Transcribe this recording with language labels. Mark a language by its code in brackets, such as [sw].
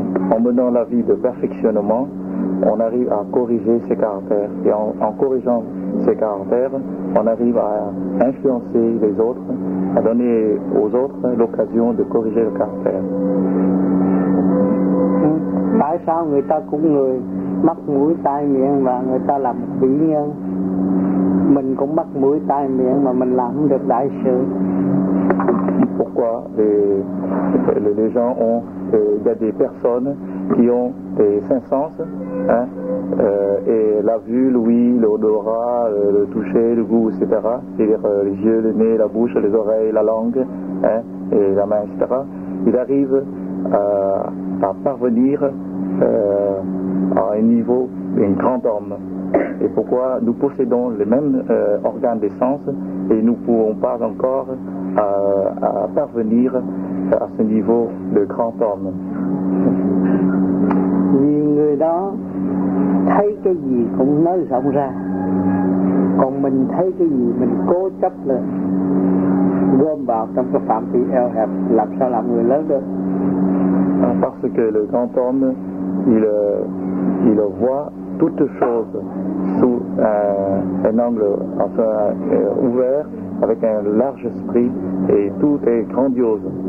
[fr] En menant la vie de perfectionnement, on arrive à corriger ses caractères. Et en corrigeant ses caractères, on arrive à influencer les autres, à donner aux autres l'occasion de corriger le caractère. [vi] Tại sao người ta cũng người mắc mũi tai miệng và người ta làm vĩ nhân, mình cũng mắc mũi tai miệng mà mình làm không được đại sự. [fr] Pourquoi les gens ont il y a des personnes qui ont des cinq sens, hein, et la vue, l'ouïe, l'odorat, le toucher, le goût, etc., c'est-à-dire les yeux, le nez, la bouche, les oreilles, la langue, hein, et la main, etc., ils arrivent à parvenir à un niveau d'un grand homme. Et pourquoi nous possédons les mêmes organes des sens et nous ne pouvons pas encore à parvenir à ce niveau de grand homme. [vi] Vì người đó thấy cái gì cũng nói rộng ra. Còn mình thấy cái gì mình cố chấp lên. Gom vào trong cái phạm vi eo hẹp làm sao làm người lớn được. [fr] Parce que le grand homme, il voit toutes choses sous un angle enfin, ouvert, avec un large esprit, et tout est grandiose.